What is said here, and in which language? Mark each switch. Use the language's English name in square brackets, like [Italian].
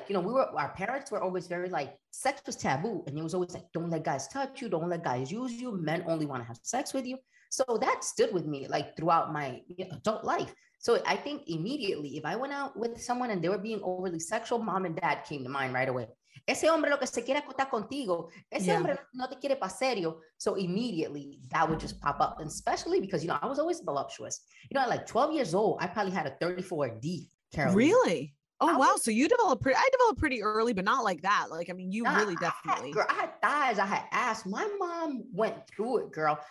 [English] Like, you know, our parents were always very like, sex was taboo. And it was always like, don't let guys touch you. Don't let guys use you. Men only want to have sex with you. So that stood with me like throughout my adult life. So I think immediately if I went out with someone and they were being overly sexual, mom and dad came to mind right away. [Spanish] Ese hombre lo que se quiere acostar contigo, ese yeah. hombre no te quiere para serio. [English] So immediately that would just pop up, and especially because, you know, I was always voluptuous. You know, at like 12 years old, I probably had a 34D, Carol. Really? Oh, wow. So you developed pretty, I developed pretty early, but not like that. Like, I mean, you really definitely. I had thighs. I had ass. My mom went through it, girl.